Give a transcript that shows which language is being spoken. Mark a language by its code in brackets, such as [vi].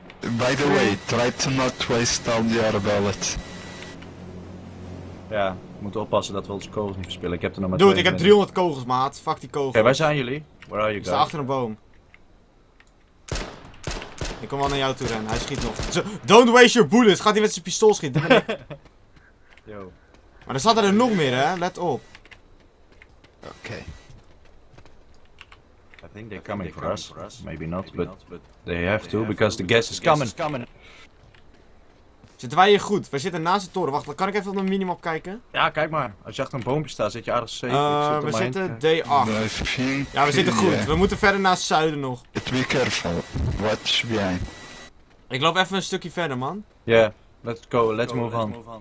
[en] By the way, try to not waste all your bullets. [nl] Ja, we moeten oppassen dat we onze kogels niet verspillen. Ik heb er nog maar twee. Dude, ik heb 300 kogels, maat. Fuck die kogels. Oké, waar zijn jullie? [en] Where are you guys? [nl] Ik sta achter een boom. Ik kom wel naar jou toe rennen. Hij schiet nog. [en] Don't waste your bullets. [nl] Gaat hij met zijn pistool schieten? Yo. Maar er zat er nog meer, hè? Let op. Oké. [en] Okay. I think they're coming for us. Maybe not, but they have to, because the gas is coming. [nl] Zitten wij hier goed? Wij zitten naast de toren. Wacht, kan ik even op de minimap kijken? Ja, kijk maar. Als je achter een boompje staat, zit je aardig safe. We zitten D8. Ja, we zitten goed. We moeten verder naar het zuiden nog. [en] Be careful. Watch behind. [nl] Ik loop even een stukje verder, man. [en] Yeah, let's go. Let's move on.